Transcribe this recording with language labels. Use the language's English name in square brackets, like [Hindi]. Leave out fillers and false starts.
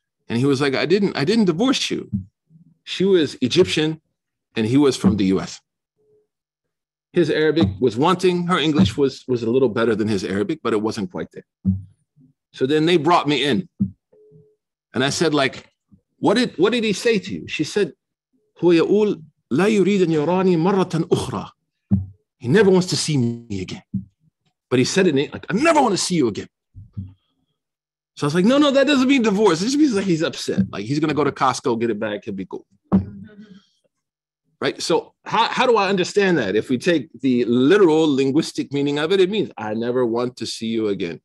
[English] And he was like, I didn't divorce you. She was Egyptian and he was from the US. His Arabic was wanting, her English was a little better than his Arabic, but it wasn't quite there. So then they brought me in. And I said, like, what did he say to you? She said, [Arabic] لا يريد أن يراني مرة أخرى. [English] He never wants to see me again. But he said it like, I never want to see you again. So I was like, no, that doesn't mean divorce. It just means like he's upset. Like he's going to go to Costco, get it back, he'll be cool. Right? So how do I understand that? If we take the literal linguistic meaning of it, it means I never want to see you again.